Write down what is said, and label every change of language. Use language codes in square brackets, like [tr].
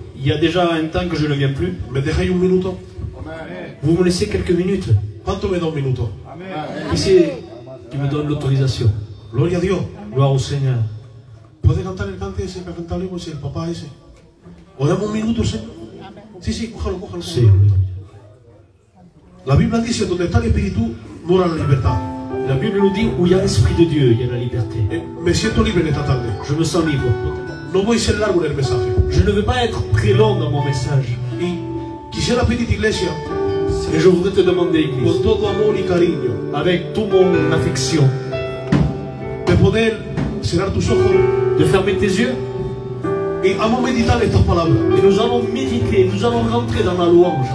[fr] Il y a déjà un temps que je ne viens plus. [es] Me dejáis un minuto. [fr] Vous me laissez quelques minutes. [es] ¿Cuánto me da un minuto? [fr] Qui c'est qui me donne l'autorisation? [es] Gloria a Dios. [fr] Gloire au Seigneur. [es] ¿Puede cantar el cante ese que ha cantado el hijo, ese, el papá ese? ¿O dame un minuto, Señor? Sí, sí, cójalo. Sí, aleluya. La Biblia dice, donde está el Espíritu, mora la libertad. La Biblia nos dice, [fr] où il y a l'Esprit de Dieu, il y a la liberté. [es] Me siento libre esta tarde. [fr] Je me sens libre. [es] No voy a ser largo en el mensaje. [fr] Je ne vais pas être très long dans mon message. [es] Y quisiera pedirte, iglesia. [fr] Et je voudrais te demander, iglesia. [es] Con todo amor y cariño. [fr] Avec toute mon affection. [es] De poder cerrar tus ojos. [fr] De fermer tes yeux. [es] Y vamos a meditar estas palabras. [fr] Et nous allons méditer, nous allons rentrer dans la louange.